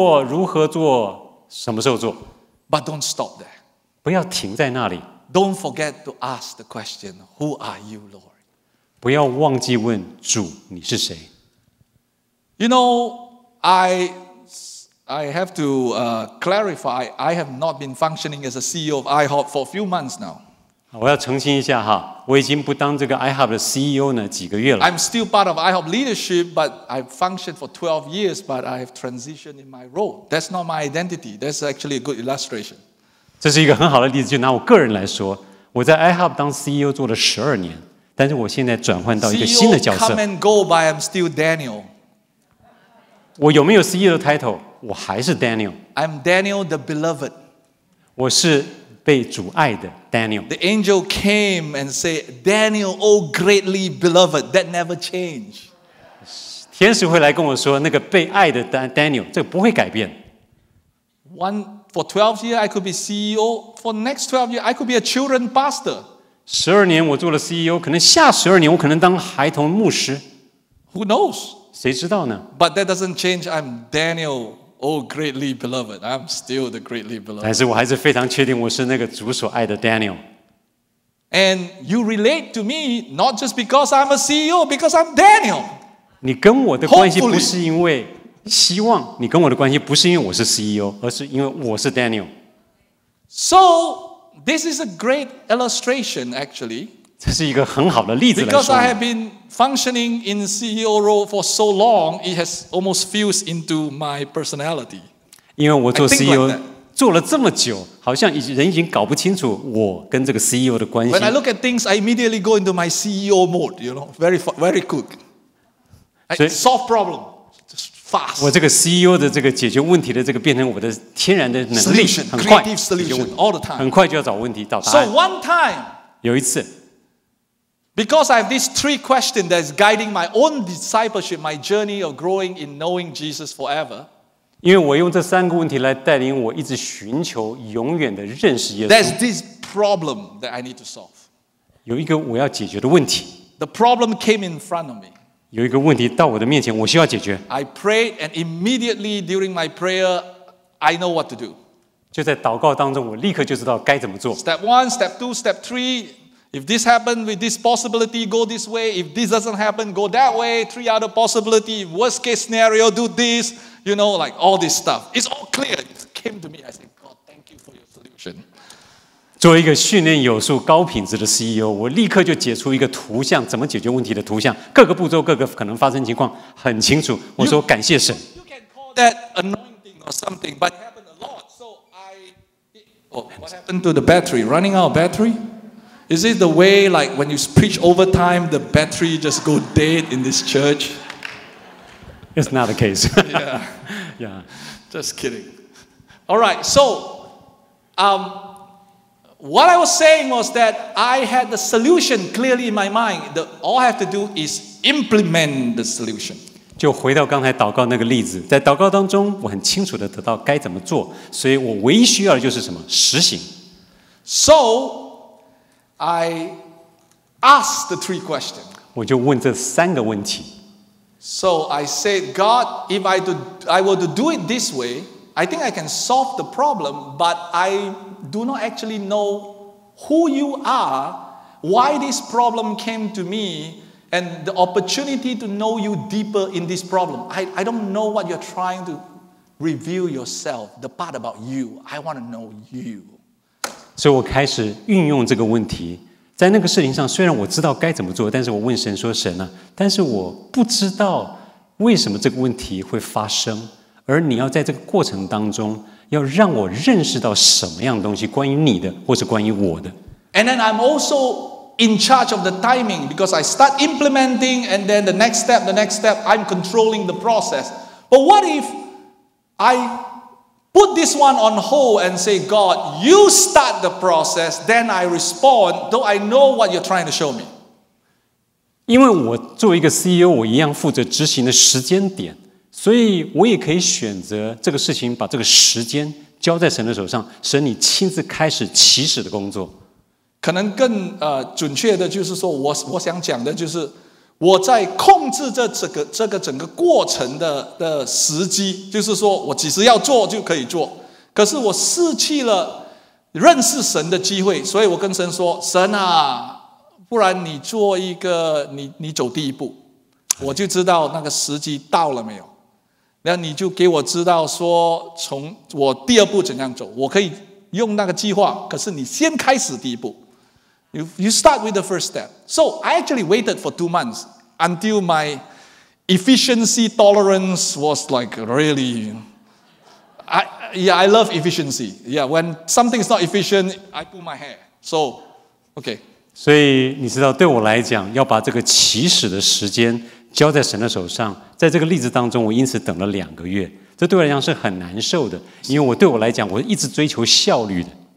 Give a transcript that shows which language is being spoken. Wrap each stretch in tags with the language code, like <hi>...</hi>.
<zh>禁食祷告，求神告诉我们怎么做，如何做，什么时候做。</zh> <en>But don't stop there.</en> <zh>不要停在那里。</zh> <en>Don't forget to ask the question, who are you, Lord?</en> <zh>不要忘记问主你是谁。</zh> <en>You know, I have to clarify, I have not been functioning as a CEO of IHOP for a few months now.</en> <zh>我要澄清一下哈，我已经不当这个IHOP的CEO呢几个月了。</zh> <en>I'm still part of IHOP leadership, but I've functioned for 12 years, but I have transitioned in my role. That's not my identity. That's actually a good illustration.</en> <zh>这是一个很好的例子，就拿我个人来说，我在 IHOP 当 CEO 做了12年，但是我现在转换到一个新的角色。</zh> <en>CEO come and go, but I'm still Daniel.</en> <zh>我有没有 CEO 的 title？ 我还是 Daniel.</zh> <en>I'm Daniel the beloved.</en> <zh>我是被主爱的 Daniel.</zh> <en>The angel came and said, "Daniel, oh greatly beloved, that never change."</en> <zh>天使会来跟我说，那个被爱的 Daniel， 这个不会改变。</zh> <en>For 12 years, I could be CEO. For the next 12 years, I could be a children pastor.</en> <zh>12年我做了CEO, 可能下12年我可能当孩童牧师。</zh> <en>Who knows?</en> <zh>谁知道呢?</zh> <en>But that doesn't change. I'm Daniel, oh greatly beloved. I'm still the greatly beloved.</en> <zh>但是我还是非常确定我是那个主所爱的Daniel。</zh> <en>And you relate to me, not just because I'm a CEO, because I'm Daniel.</en> <zh>你跟我的关系不是因为 希望你跟我的关系不是因为我是CEO， 而是因为我是Daniel。</zh> <en>So, this is a great illustration, actually.</en> <zh>这是一个很好的例子来说。</zh> <en>Because I have been functioning in CEO role for so long, it has almost fused into my personality.</en> <zh>因为我做CEO 做了这么久，好像人已经搞不清楚我跟这个CEO的关系。</zh> <en>When I look at things, I immediately go into my CEO mode, you know, very, very quick. Solve problem. fast.</en> <zh>我这个 CEO 的这个解决问题的这个变成我的天然的能力，很快</zh> <en>creative solution all the time.</en> <zh>很快就要找问题找答案。</zh> <en>So one time,</en> <zh>有一次</zh> <en>because I have these three questions that is guiding my own discipleship, my journey of growing in knowing Jesus forever.</en> <zh>因为我用这三个问题来带领我一直寻求永远的认识耶稣。</zh> <en>There's this problem that I need to solve.</en> <zh>有一个我要解决的问题。</zh> <en>The problem came in front of me.</en> <zh>有一个问题到我的面前，我需要解决。</zh> <en>I prayed and immediately during my prayer, I know what to do.</en> <zh>就在祷告当中，我立刻就知道该怎么做。</zh> <en>Step one, step two, step three. If this happens with this possibility, go this way. If this doesn't happen, go that way. Three other possibility. Worst case scenario, do this. You know, like all this stuff. It's all clear. It came to me. I said, God, thank you for your solution.</en> <zh>作为一个训练有素高品质的 CEO， 我立刻就解出一个图像，怎么解决问题的图像，各个步骤各个可能发生情况很清楚。我说感谢神。</zh> <en>You can call that anointing or something, but it happened a lot. So I, what happened to the battery? Running out of battery? Is it the way like when you preach over time, the battery just go dead in this church? It's not the case. Yeah. Yeah. Just kidding. All right. So, What I was saying was that I had the solution clearly in my mind. All I have to do is implement the solution.</en> <zh>就回到刚才祷告那个例子，在祷告当中，我很清楚地得到该怎么做，所以我唯一需要的就是什么？实行。</zh> <en>So, I asked the three questions.</en> <zh>我就问这三个问题。</zh> <en>So I said, God, if I were to do it this way, I think I can solve the problem, but I... do not actually know who you are, why this problem came to me, and the opportunity to know you deeper in this problem. I don't know what you're trying to reveal yourself, the part about you. I want to know you.</en> <zh>所以我开始运用这个问题，在那个事情上，虽然我知道该怎么做，但是我问神说，神啊，但是我不知道为什么这个问题会发生，而你要在这个过程当中要让我认识到什么样的东西，关于你的，或是关于我的。</zh> <en>And then I'm also in charge of the timing because I start implementing, and then the next step, I'm controlling the process. But what if I put this one on hold and say, God, you start the process, then I respond, though I know what you're trying to show me.</en> <zh>因为我作为一个 CEO， 我一样负责执行的时间点。所以我也可以选择这个事情，把这个时间交在神的手上，神你亲自开始起始的工作。可能更准确的就是说，我想讲的就是我在控制这整个过程的时机，就是说我其实要做就可以做，可是我失去了认识神的机会，所以我跟神说，神啊，不然你做一个，你走第一步，我就知道那个时机到了没有。那你就给我知道说从我第二步怎样走，我可以用那个计划，可是你先开始第一步。</zh> <en>You start with the first step. So I actually waited for 2 months until my efficiency tolerance was like really I love efficiency. Yeah, when something is not efficient, I pull my hair. So, okay.</en> <zh>所以你知道对我来讲要把这个起始的时间交在神的手上，在这个例子当中，我因此等了2个月，这对我来讲是很难受的，因为对我来讲，我一直追求效率的。</zh>